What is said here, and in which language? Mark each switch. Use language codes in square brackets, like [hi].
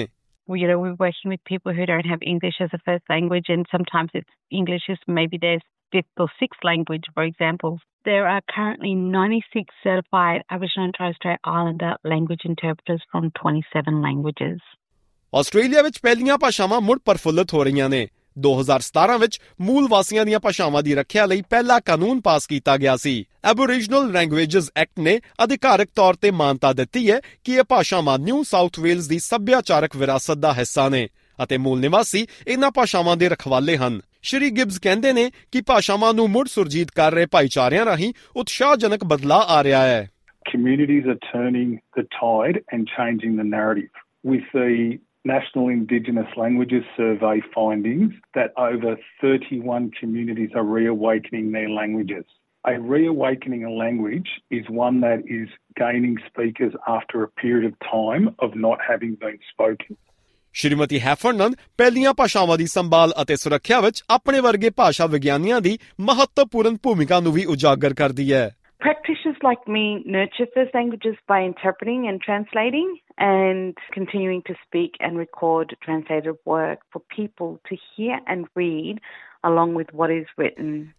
[en] Well, you know, we're working with people who don't have English as a first language, and sometimes it's English is maybe their fifth or sixth language, for example. There are currently 96 certified Aboriginal and Torres Strait Islander language interpreters from 27 languages. [pa] Australia ਵਿੱਚ ਪਹਿਲੀਆਂ ਭਾਸ਼ਾਵਾਂ ਮੁੜ ਪ੍ਰਫੁੱਲਤ ਹੋ ਰਹੀਆਂ ਨੇ। 2017 ਵਿੱਚ ਮੂਲ ਵਾਸੀਆਂ ਦੀਆਂ ਭਾਸ਼ਾਵਾਂ ਦੀ ਰੱਖਿਆ ਲਈ ਪਹਿਲਾ ਕਾਨੂੰਨ ਪਾਸ ਕੀਤਾ ਗਿਆ ਸੀ। ਐਬੋਰੀਜਨਲ ਲੈਂਗੁਏਜਸ ਐਕਟ ਨੇ ਅਧਿਕਾਰਕ ਤੌਰ ਤੇ ਮਾਨਤਾ ਦਿੱਤੀ ਹੈ ਕਿ ਇਹ ਭਾਸ਼ਾਵਾਂ ਨਿਊ ਸਾਊਥ ਵੇਲਸ ਦੀ ਸੱਭਿਆਚਾਰਕ ਵਿਰਾਸਤ ਦਾ ਹਿੱਸਾ ਨੇ ਅਤੇ ਮੂਲ ਨਿਵਾਸੀ ਇਨ੍ਹਾਂ ਭਾਸ਼ਾਵਾਂ ਦੇ ਰਖਵਾਲੇ ਹਨ। ਸ਼੍ਰੀ ਗਿਬਸ ਕਹਿੰਦੇ ਨੇ ਕਿ ਭਾਸ਼ਾਵਾਂ ਨੂੰ ਮੁੜ ਸੁਰਜੀਤ ਕਰ ਰਹੇ ਭਾਈਚਾਰਿਆਂ ਰਾਹੀਂ ਉਤਸ਼ਾਹਜਨਕ ਬਦਲਾਅ ਆ ਰਿਹਾ ਹੈ। [en] Communities are turning the tide and changing the narrative. We see National Indigenous Languages Survey findings that over 31 communities are reawakening their languages. A reawakening a language is one that is gaining speakers after a period of time of not having been spoken. [pa] Shrimati ਹੈਫਰਨਨ ਪਹਿਲੀਆਂ ਭਾਸ਼ਾਵਾਂ ਦੀ ਸੰਭਾਲ ਅਤੇ ਸੁਰੱਖਿਆ ਵਿੱਚ ਆਪਣੇ ਵਰਗੇ ਭਾਸ਼ਾ ਵਿਗਿਆਨੀਆਂ ਦੀ ਮਹੱਤਵਪੂਰਨ ਭੂਮਿਕਾ ਨੂੰ ਵੀ ਉਜਾਗਰ ਕਰਦੀ ਹੈ। [en] Practitioners like me nurture first languages by interpreting and translating and continuing to speak and record translated work for people to hear and read along with what is written.